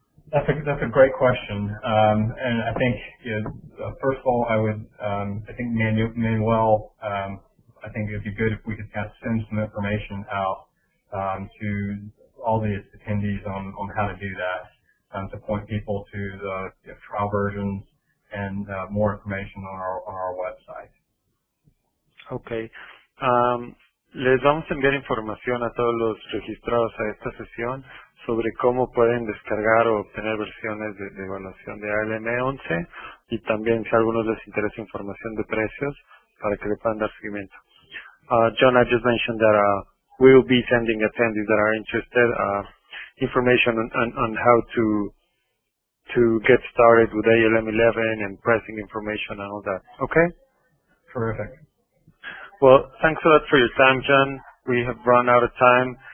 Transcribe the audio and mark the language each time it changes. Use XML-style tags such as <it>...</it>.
<en>That's a great question, and I think first of all, I would I think it'd be good if we could kind of send some information out to all the attendees on how to do that, to point people to the trial versions and more information on our website. Okay.</en> <es>Les vamos a enviar información a todos los registrados a esta sesión sobre cómo pueden descargar o obtener versiones de evaluación de ALM 11 y también si a algunos les interesa información de precios para que le puedan dar seguimiento.</es> <en>John, I just mentioned that we will be sending attendees that are interested information on how to get started with ALM 11 and pricing information and all that. Okay? Terrific. Well, thanks a lot for your time, John. We have run out of time.</en>